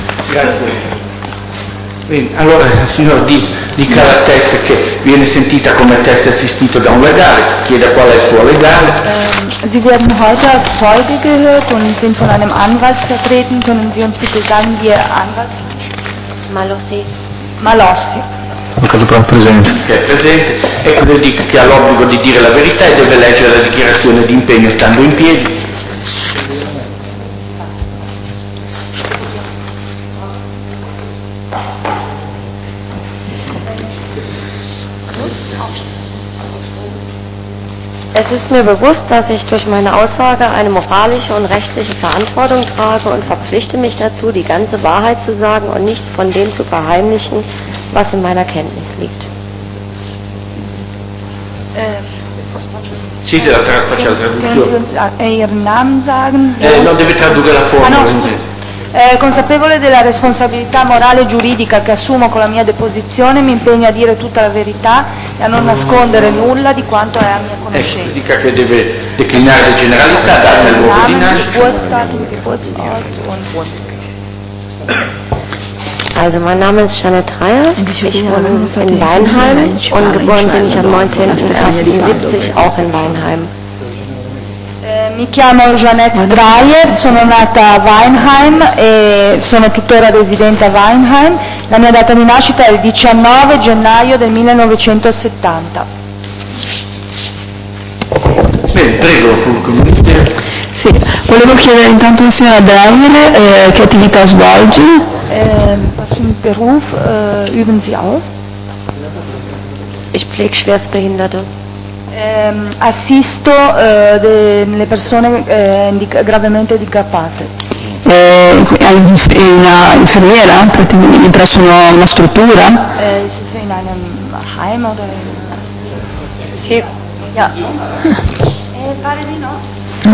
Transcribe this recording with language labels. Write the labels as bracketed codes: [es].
[it] Grazie. Allora, il signor di Calazzeste, che viene sentita come testa assistito da un legale, chiede qual è il suo legale. [de] Sie werden heute als Zeuge gehört und sind von einem Anwalt vertreten. Können Sie uns bitte sagen, wie Ihr Anwalt? [it] Malossi. Malossi. Ok, lo prendo presente. Che è presente. Ecco, vi dico che ha l'obbligo di dire la verità e deve leggere la dichiarazione di impegno stando in piedi. [de] Es ist mir bewusst, dass ich durch meine Aussage eine moralische und rechtliche Verantwortung trage und verpflichte mich dazu, die ganze Wahrheit zu sagen und nichts von dem zu verheimlichen, was in meiner Kenntnis liegt. [it] Sì, la faccio la traduzione. [de] Sì, Ihren Namen sagen? [it] No, deve tradurre la formula. Consapevole della responsabilità morale e giuridica che assumo con la mia deposizione, mi impegno a dire tutta la verità e a non nascondere nulla di quanto è a mia conoscenza. Dica che deve declinare le generalità, data il luogo di nascita. [de] Also mein Name ist Janet Dreyer, ich wohne in Weinheim und geboren bin ich am 19.01.70 auch in Weinheim. [it] Mi chiamo Jeanette Dreyer, sono nata a Weinheim e sono tuttora residente a Weinheim. La mia data di nascita è il 19 gennaio del 1970. Bene, prego. Sì, volevo chiedere intanto alla signora Dreyer che attività svolge. [de] Was für Beruf üben Sie aus? Ich pflege Schwerstbehinderte. [it] Assisto le persone gravemente handicappate. Una infermiera praticamente presso una struttura? Sì, in un [de] heim oder in... [it] Sì. Ja. Pare di no.